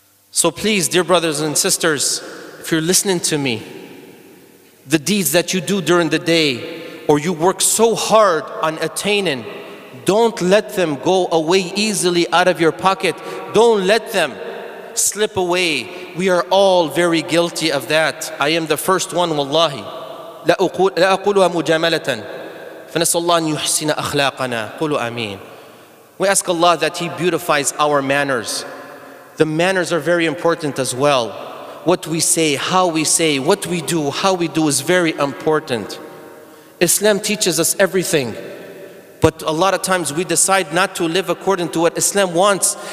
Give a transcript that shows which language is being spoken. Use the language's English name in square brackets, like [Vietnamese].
[English] So please, dear brothers and sisters, if you're listening to me, the deeds that you do during the day or you work so hard on attaining, don't let them go away easily out of your pocket. Don't let them slip away. We are all very guilty of that. I am the first one, wallahi. [Arabic] لا أقولها مجاملة. فنسأل الله أن يحسن أخلاقنا. قولوا آمين. [English] We ask Allah that He beautifies our manners. The manners are very important as well. what we say, how we say, what we do, how we do is very important. Islam teaches us everything, but a lot of times we decide not to live according to what Islam wants.